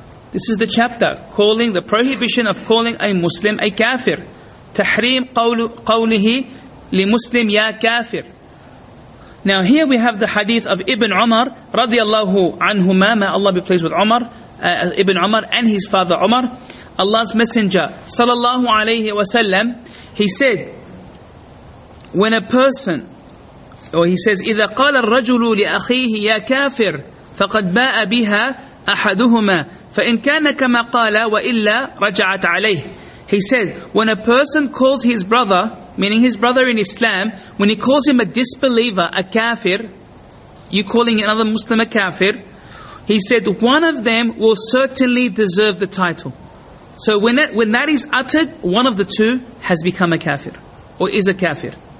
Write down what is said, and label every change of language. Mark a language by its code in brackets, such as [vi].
[en] This is the chapter, calling the prohibition of calling a Muslim a kafir. [ar] Tahrim qawlihi li Muslim ya kafir. [en] Now here we have the hadith of Ibn Umar radiyallahu anhuma, may Allah be pleased with Umar, Ibn Umar and his father Umar. Allah's Messenger sallallahu alayhi wa sallam, he said, when a person, or he says, [ar] إِذَا قَالَ الرَّجُلُ لِأَخِيهِ يَا كَافِرْ فَقَدْ بَاءَ بِهَا أَحَدُهُمَا فَإِنْ كَانَ كَمَا قَالَ وَإِلَّا رَجَعَتْ عَلَيْهِ. [en] He said, when a person calls his brother, meaning his brother in Islam, when he calls him a disbeliever, a kafir, you calling another Muslim a kafir, he said, one of them will certainly deserve the title. So when that is uttered, one of the two has become a kafir, or is a kafir.